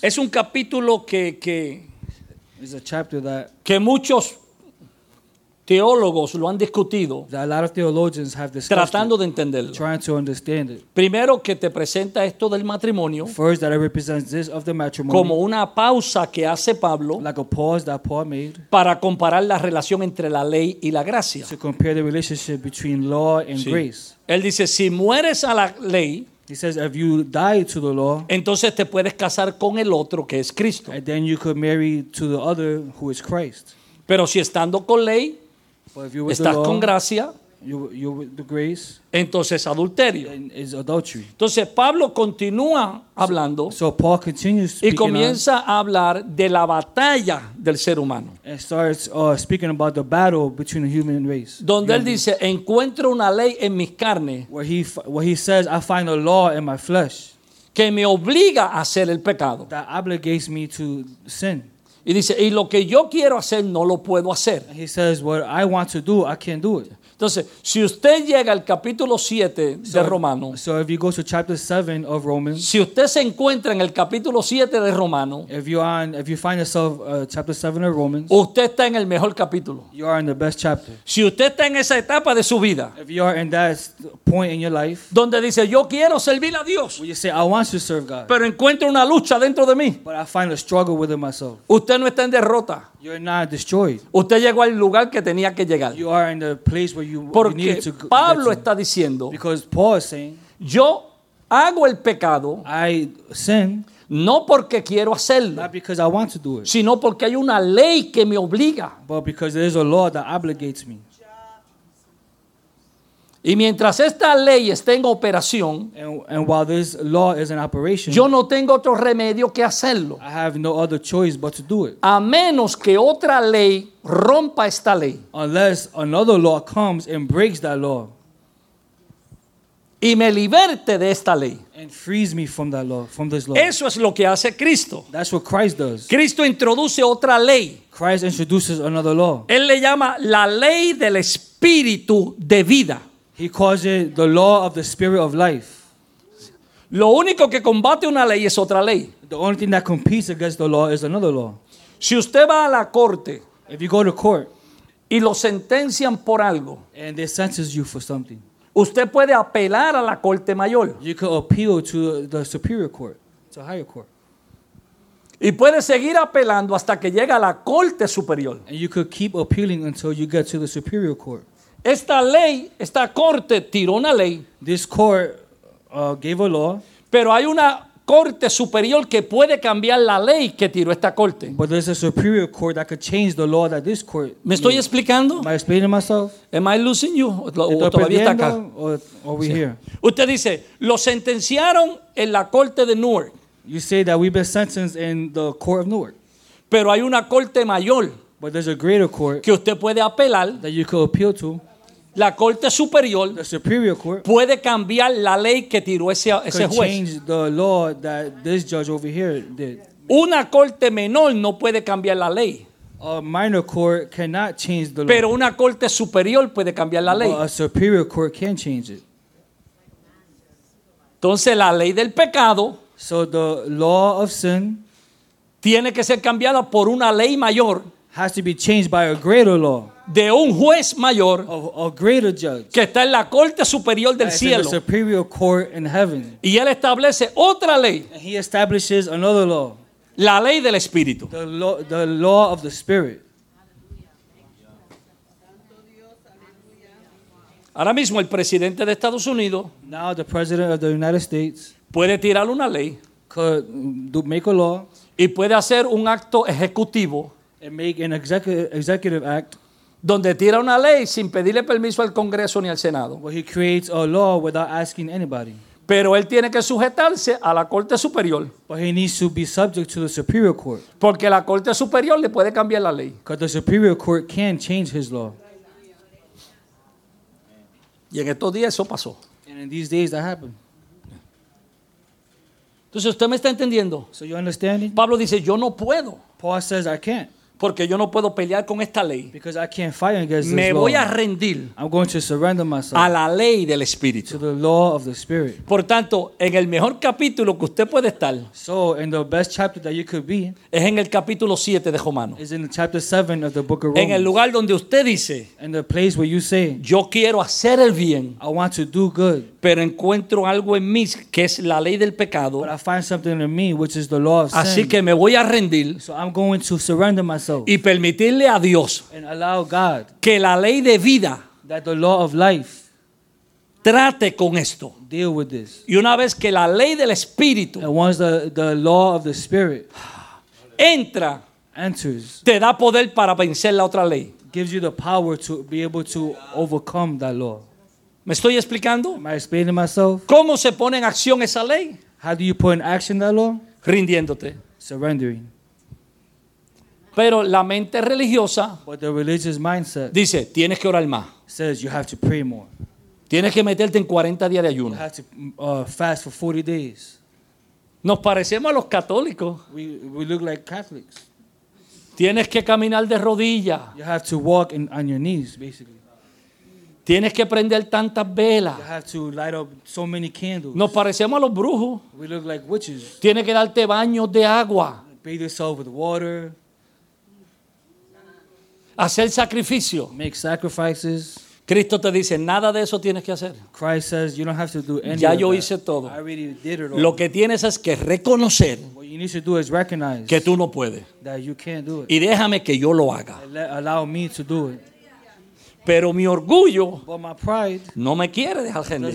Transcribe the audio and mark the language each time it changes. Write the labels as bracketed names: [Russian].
[Spanish] Es un capítulo que [English] is a chapter that [Spanish] que muchos teólogos lo han discutido, [English] a lot of theologians have discussed [Spanish] tratando [English] it, [Spanish] de entenderlo. [English] Trying to understand it. [Spanish] Primero que te presenta esto del matrimonio, [English] first that it represents this of the matrimony, [Spanish] como una pausa que hace Pablo, [English] like a pause that Paul made, [Spanish] para comparar la relación entre la ley y la gracia. [English] To compare the relationship between law and [Spanish] sí. [English] Grace. [Spanish] Él dice, si mueres a la ley, [English] he says, if you die to the law, [Spanish] entonces te puedes casar con el otro que es Cristo. [English] And then you could marry to the other who is Christ. [Spanish] Pero si estando con ley, [English] but if you're with [Spanish] estás [English] the law, [Spanish] con gracia, [English] you're with the grace, [Spanish] entonces adulterio. [English] Is adultery. [Spanish] Entonces Pablo continúa hablando [English] so Paul continues speaking [Spanish] y comienza a hablar de la batalla del ser humano. [English] And starts speaking about the battle between the human race. [Spanish] Donde él dice, encuentro una ley en mis carnes. [English] Where he says, I find a law in my flesh. [Spanish] Que me obliga a hacer el pecado. [English] That obligates me to sin. [Spanish] Y dice, y lo que yo quiero hacer no lo puedo hacer. [English] He says, what I want to do, I can't do it. [Spanish] Entonces, si usted llega al capítulo 7 de Romanos. [English] So if you go to chapter 7 of Romans. [Spanish] Si usted se encuentra en el capítulo 7 de Romanos. [English] If you find yourself chapter 7 of Romans. [Spanish] Usted está en el mejor capítulo. [English] You are in the best chapter. [Spanish] Si usted está en esa etapa de su vida. [English] If you are in that point in your life. [Spanish] Donde dice, yo quiero servir a Dios. [English] Where you say, I want to serve God. [Spanish] Pero encuentro una lucha dentro de mí. [English] But I find a struggle within myself. [Spanish] Usted no está en derrota. [English] You're not destroyed. [Spanish] Usted llegó al lugar que tenía que llegar. [English] You are in the place where [Spanish] porque [English] to [Spanish] Pablo está diciendo, [English] because Paul is saying, [Spanish] yo hago el pecado, [English] I sin, [Spanish] no porque quiero hacerlo, [English] not because I want to do it, [Spanish] sino porque hay una ley que me obliga, [English] but because there is a law that obligates me. [Spanish] Y mientras esta ley esté en operación, [English] and while this law is in operation, [Spanish] yo no tengo otro remedio que hacerlo. [English] I have no other choice but to do it. [Spanish] A menos que otra ley rompa esta ley. [English] Unless another law comes and breaks that law. [Spanish] Y me liberte de esta ley. [English] And frees me from that law, from this law. [Spanish] Eso es lo que hace Cristo. [English] That's what Christ does. [Spanish] Cristo introduce otra ley. [English] Christ introduces another law. [Spanish] Él le llama la ley del espíritu de vida. [English] He calls it the law of the spirit of life. [Spanish] Lo único que combate una ley es otra ley. [English] The only thing that competes against the law is another law. [Spanish] Si usted va a la corte, [English] if you go to court, [Spanish] y lo sentencian por algo, [English] and they sentence you for something, [Spanish] usted puede apelar a la corte mayor. [English] You can appeal to the superior court, to higher court. [Spanish] Y puede seguir apelando hasta que llega a la corte superior. [English] And you could keep appealing until you get to the superior court. [Spanish] Esta ley, esta corte tiró una ley. [English] This court gave a law. [Spanish] Pero hay una corte superior que puede cambiar la ley que tiró esta corte. [English] But there's a superior court that could change the law that this court. [Spanish] ¿Me estoy explicando? [English] Am I explaining myself? Am I losing you? [Spanish] ¿O todavía está acá? Usted dice, lo sentenciaron en la corte de Newark. [English] You say that we've been sentenced in the court of Newark. [Spanish] Pero hay una corte mayor. [English] But there's a greater court [Spanish] que usted puede apelar, [English] that you could appeal to. [Spanish] La corte superior, [English] the superior court, [Spanish] puede cambiar la ley que tiró ese juez. [English] Could change the law that this judge over here did. [Spanish] Una corte menor no puede cambiar la ley. [English] A minor court cannot change the law. [Spanish] Pero una corte superior puede cambiar la ley. [English] But a superior court can change it. [Spanish] Entonces la ley del pecado, [English] so the law of sin, [Spanish] tiene que ser cambiada por una ley mayor, [English] has to be changed by a greater law, [Spanish] de un juez mayor, [English] of a greater judge, [Spanish] que está en la corte superior del cielo, [English] in the superior court in heaven. [Spanish] Y él establece otra ley, [English] and he establishes another law, [Spanish] la ley del espíritu, [English] the law of the spirit. [Spanish] Ahora mismo el presidente de Estados Unidos, [English] now the president of the United States, [Spanish] puede tirar una ley, [English] could make a law, [Spanish] y puede hacer un acto ejecutivo, [English] and make an executive act, [Spanish] donde tira una ley sin pedirle permiso al Congreso ni al Senado. [English] Where he creates a law without asking anybody. [Spanish] Pero él tiene que sujetarse a la Corte Superior. [English] But he needs to be subject to the Superior Court. [Spanish] Porque la Corte Superior le puede cambiar la ley. [English] Because the Superior Court can change his law. [Spanish] Y en estos días eso pasó. [English] And in these days that happened. [Spanish] Entonces usted me está entendiendo. [English] So you understanding? [Spanish] Pablo dice, yo no puedo. [English] Paul says, I can't. [Spanish] Porque yo no puedo pelear con esta ley. [English] Because I can't fight against this [Spanish] me [English] law. [Spanish] Voy a rendir, [English] I'm going to surrender myself, [Spanish] a la ley del espíritu, [English] to the law of the spirit. [Spanish] Por tanto, en el mejor capítulo que usted puede estar, [English] so in the best chapter that you could be, [Spanish] es en el capítulo 7 de Romanos. [English] Is in chapter 7 of the book of Romans. [Spanish] En el lugar donde usted dice, [English] in the place where you say, [Spanish] yo quiero hacer el bien, [English] I want to do good, [Spanish] pero encuentro algo en mí que es la ley del pecado, [English] but I find something in me which is the law of sin. [Spanish] Así que me voy a rendir, [English] so I'm going to surrender myself, [Spanish] y permitirle a Dios, [English] and allow God, [Spanish] que la ley de vida, [English] that the law of life, [Spanish] trate con esto, [English] deal with this. [Spanish] Y una vez que la ley del espíritu, [English] and once the law of the spirit, [Spanish] entra, [English] enters, [Spanish] te da poder para vencer la otra ley, [English] gives you the power to be able to overcome that law. [Spanish] ¿Me estoy explicando? [English] Am I explaining myself? [Spanish] ¿Cómo se pone en acción esa ley? [English] How do you put in action that law? [Spanish] Rindiéndote, [English] surrendering. [Spanish] Pero la mente religiosa, [English] but the religious mindset, [Spanish] dice, tienes que orar más. [English] Says you have to pray more. [Spanish] Tienes que meterte en 40 días de ayuno. [English] You have to fast for 40 days. [Spanish] Nos parecemos a los católicos. [English] We look like Catholics. [Spanish] Tienes que caminar de rodillas. [English] You have to walk on your knees, basically. [Spanish] Tienes que prender tantas velas. [English] You have to light up so many candles. [Spanish] Nos parecemos a los brujos. [English] We look like witches. [Spanish] Tienes que darte baños de agua. [English] Bathe yourself with water. [Spanish] Hacer sacrificio. [English] Make sacrifices. [Spanish] Cristo te dice, nada de eso tienes que hacer. [English] Christ says, you don't have to do any [Spanish] ya [English] of [Spanish] yo [English] that. [Spanish] Hice todo. [English] I already did it all. [Spanish] Lo que tienes es que reconocer, [English] what you need to do is recognize, [Spanish] que tú no puedes. [English] That you can't do it. [Spanish] Y déjame que yo lo haga. [English] Allow me to do it. [Spanish] Pero mi orgullo, [English] but my pride, [Spanish] no me quiere dejar rendir.